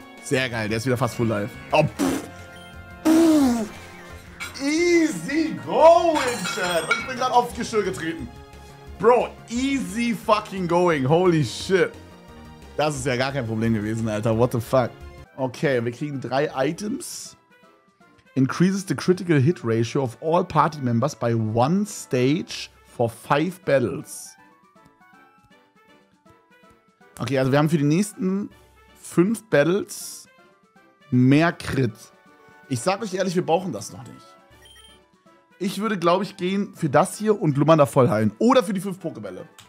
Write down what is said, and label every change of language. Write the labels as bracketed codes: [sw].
[de] Sehr geil, der ist wieder fast full life. Oh, pff. Easy going, Chat. Und ich bin gerade aufs Geschirr getreten. Bro, [en] easy fucking going. Holy shit. [de] Das ist ja gar kein Problem gewesen, Alter. [en] What the fuck? [de] Okay, wir kriegen 3 Items. [en] Increases the critical hit ratio of all party members by 1 stage for 5 battles. [de] Okay, also wir haben für die nächsten 5 Battles mehr Crit. Ich sag euch ehrlich, wir brauchen das noch nicht. Ich würde, glaube ich, gehen für das hier und Lumanda voll heilen. Oder für die 5 Pokebälle.